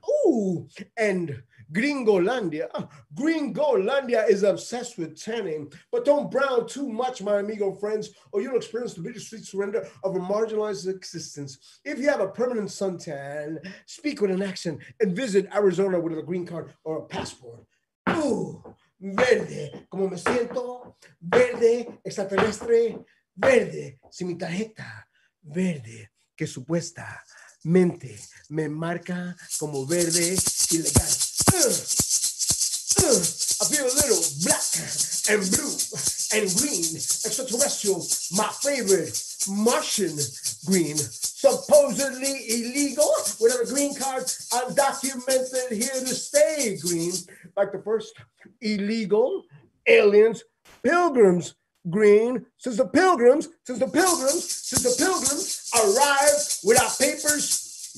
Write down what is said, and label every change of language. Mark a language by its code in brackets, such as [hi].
[en] Ooh, and Gringolandia is obsessed with tanning. But don't brown too much, my amigo friends, or you'll experience the bitter sweet surrender of a marginalized existence. If you have a permanent suntan, speak with an accent and visit Arizona with a green card or a passport. [es] Ooh, verde, como me siento, verde, extraterrestre, verde, si mi tarjeta, verde, que supuestamente me marca como verde ilegal. [en] I feel a little black and blue and green, extraterrestrial, my favorite, Martian green, supposedly illegal, without a green card, undocumented here to stay green, like the first illegal aliens, pilgrims green, since the pilgrims arrived without papers.